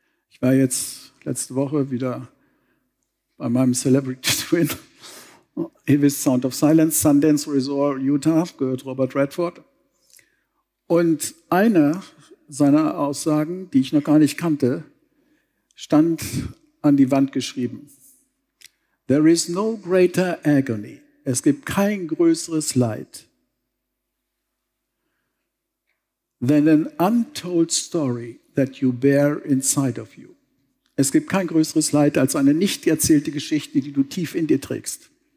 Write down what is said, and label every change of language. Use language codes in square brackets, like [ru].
[de] Ich war jetzt letzte Woche wieder bei meinem Celebrity Twin. Ihr wisst, Sound of Silence, Sundance Resort, Utah, gehört Robert Redford. Und eine seiner Aussagen, die ich noch gar nicht kannte, stand an die Wand geschrieben. [en] There is no greater agony. [de] Es gibt kein größeres Leid [en] than an untold story that you bear inside of you. [de] Es gibt kein größeres Leid als eine nicht erzählte Geschichte, die du tief in dir trägst.